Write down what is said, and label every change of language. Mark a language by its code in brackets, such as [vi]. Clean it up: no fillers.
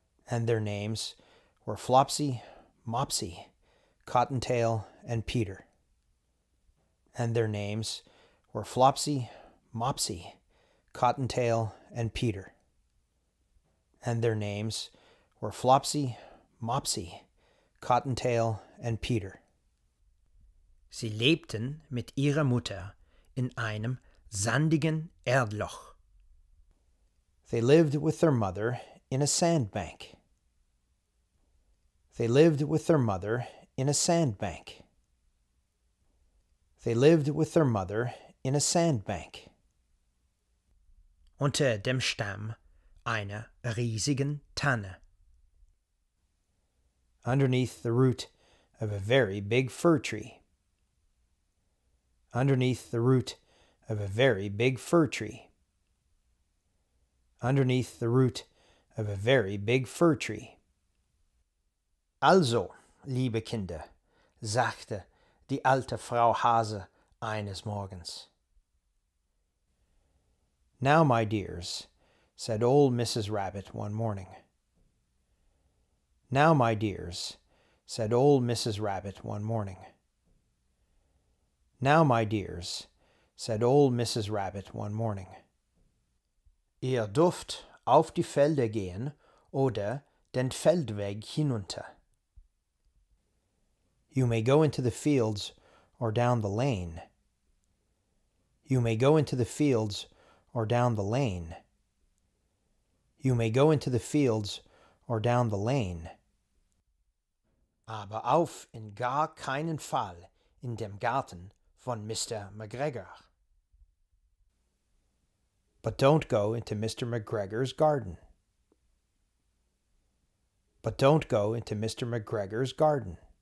[en] And their names were Flopsy, Mopsy, Cottontail and Peter. And their names were Flopsy, Mopsy, Cottontail and Peter. And their names were Flopsy, Mopsy, Cottontail and Peter. [de] Sie lebten mit ihrer Mutter in einem sandigen Erdloch. [en] They lived with their mother in a sandbank. They lived with their mother in a sandbank. They lived with their mother in a sandbank. [de] Unter dem Stamm einer riesigen Tanne. [en] Underneath the root of a very big fir tree. Underneath the root of a very big fir tree. Underneath the root of a very big fir tree. [de] Also, liebe Kinder, sagte die alte Frau Hase eines Morgens. [en] Now, my dears, said old Mrs. Rabbit one morning. Now, my dears, said old Mrs. Rabbit one morning. Now, my dears, said old Mrs. Rabbit one morning. [de] Ihr dürft auf die Felder gehen oder den Feldweg hinunter. [en] You may go into the fields or down the lane. You may go into the fields or down the lane. You may go into the fields or down the lane. [de] Aber auf in gar keinen Fall in dem Garten von Mr. McGregor. [en] But don't go into Mr. McGregor's garden. But don't go into Mr. McGregor's garden.